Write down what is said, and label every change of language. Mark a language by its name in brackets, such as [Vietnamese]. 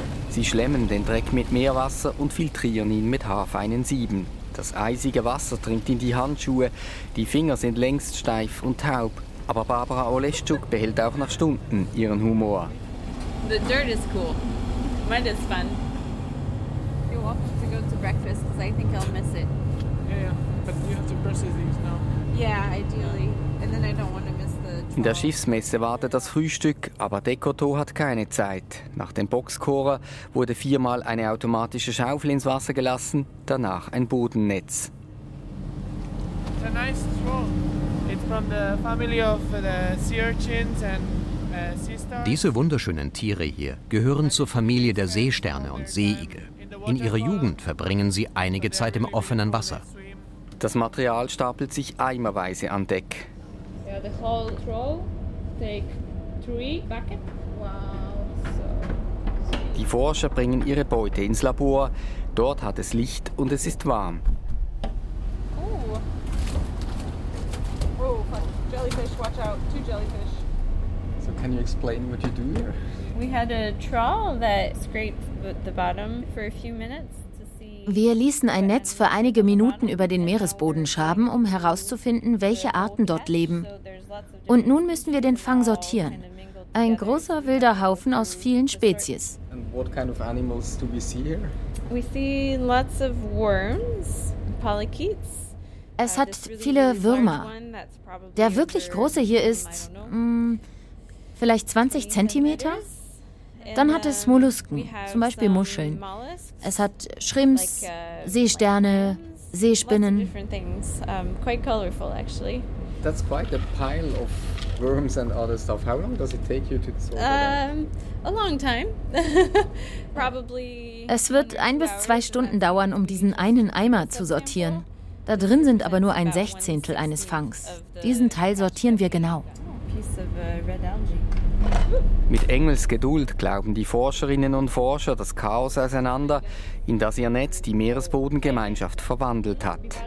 [German] Sie schlemmen den Dreck mit Meerwasser und filtrieren ihn mit haarfeinen Sieben. Das eisige Wasser dringt in die Handschuhe, die Finger sind längst steif und taub. Aber Barbara Oleschuk behält auch nach Stunden ihren Humor. [English] The dirt is cool. Mud is fun. You want me to go to breakfast because I think I'll miss it. Yeah, but you have to process these now. Yeah, ideally. And then I don't want to miss the [German] In der Schiffsmesse wartet das Frühstück, aber Decoteau hat keine Zeit. Nach dem Boxkorer wurde viermal eine automatische Schaufel ins Wasser gelassen, danach ein Bodennetz. [English] It's a nice troll. It's from the family of the sea urchins and sea stars. [German] Diese wunderschönen Tiere hier gehören zur Familie der Seesterne und Seeigel. In ihrer Jugend verbringen sie einige Zeit im offenen Wasser. Das Material stapelt sich eimerweise an Deck. [English] The whole troll take 3 buckets. Wow. So. [German] Die Forscher bringen ihre Beute ins Labor. Dort hat es Licht und es ist warm. Oh. [English] Oh, jellyfish, watch out. 2 jellyfish. So can you explain what you do here? We had a trawl that scraped the bottom for a few minutes. [German] Wir ließen ein Netz für einige Minuten über den Meeresboden schaben, um herauszufinden, welche Arten dort leben. Und nun müssen wir den Fang sortieren. Ein großer wilder Haufen aus vielen Spezies. [English] And what kind of animals do we see here? We see lots of worms, polychaetes. [German] Es hat viele Würmer. Der wirklich große hier ist, vielleicht 20 Zentimeter? Dann hat es Mollusken, zum Beispiel Muscheln. Es hat Schrimps, Seesterne, Seespinnen. [English] Quite colorful, actually. That's quite a pile of worms and other stuff. How long does it take you to sort them? A long time. Probably. [German] Es wird 1 bis 2 Stunden dauern, um diesen einen Eimer zu sortieren. Da drin sind aber nur 1/16 eines Fangs. Diesen Teil sortieren wir genau. Mit Engelsgeduld glauben die Forscherinnen und Forscher das Chaos auseinander, in das ihr Netz die Meeresbodengemeinschaft verwandelt hat.